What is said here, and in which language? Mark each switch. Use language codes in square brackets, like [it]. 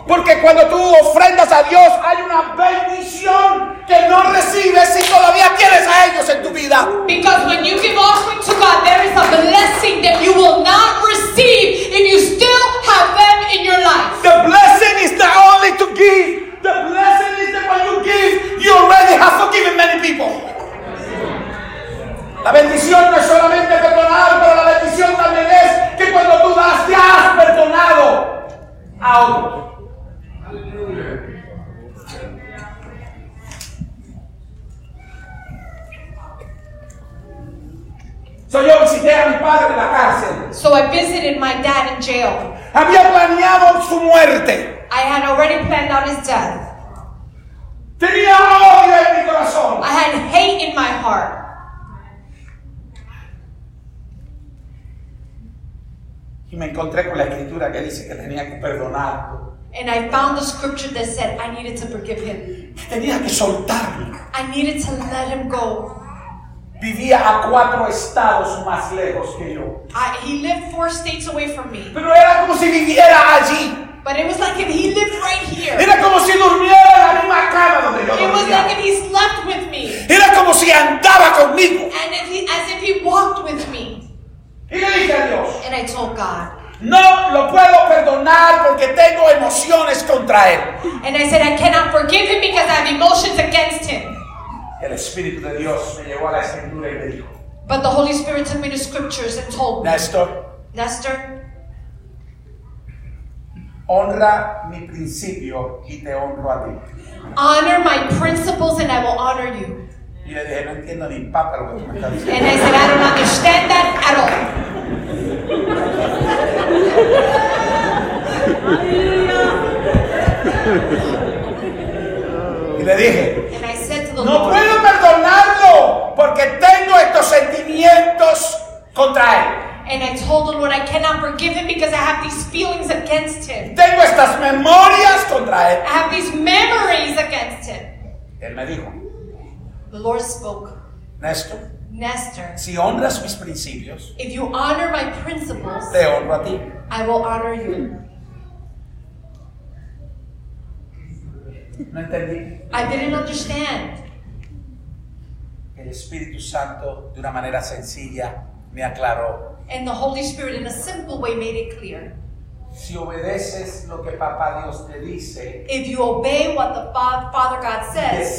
[es] Porque cuando tú ofrendas a Dios, hay una bendición que no recibes si todavía tienes a ellos en tu vida. [en] Because when you give offering to God, there is a blessing that you will not receive if you still have them in your life. The blessing is not only to give. The blessing is that when you give, you already have forgiven many people. [es] La bendición no es solamente perdonar, pero la bendición también es que cuando tú das, ya has perdonado a otro. So yo visité a mi padre en la cárcel. [en] So I visited my dad in jail. [es] Había planeado su muerte. [en] I had already planned out his death. [es] Tenía odio en mi corazón. [en] I had hate in my heart. [es] Y me encontré con la escritura que dice que tenía que perdonar. [en] And I found the scripture that said I needed to forgive him. [es] Tenía que soltarlo. [en] I needed to let him go. [es] Vivía a cuatro estados más lejos que yo. [en] He lived four states away from me. [es] Pero era como si viviera allí. [en] But it was like if he lived right here. [es] Era como si durmiera en la misma cama donde yo dormía. [en] It was like if he slept with me. [es] Era como si andaba conmigo. [en] And if he, as if he walked with me. [es] Y le dije a Dios. [en] And I told God. [es] No lo puedo perdonar porque tengo emociones contra él. [en] And I said I cannot forgive him because I have emotions against him. [es] El Espíritu de Dios me llevó a la escritura y me dijo. [en] But the Holy Spirit took me to scriptures and told me. [es] Nestor. Honra mi principio y te honro a ti. [en] Honor my principles and I will honor you. [es] Y le dije, no entiendo ni papa lo que tú me estás diciendo. [en] And I said, I don't understand that at all. [es] Y le dije, [en] and I said to the [es] no puedo perdonarlo porque tengo estos sentimientos contra él. [en] And I told the Lord I cannot forgive him because I have these feelings against him. [es] Tengo estas memorias contra él. [en] I have these memories against him. [es] Él me dijo, [en] the Lord spoke, [es] Nestor, si honras mis principios, [en] if you honor my principles, [es] te honro a ti. [en] I will honor you. [es] No entendí. [en] I didn't understand. [es] El Espíritu Santo, de una manera sencilla, me aclaró. [en] And the Holy Spirit, in a simple way, made it clear. [es] Si obedeces lo que Papá Dios te dice, [en] if you obey what the Father God says,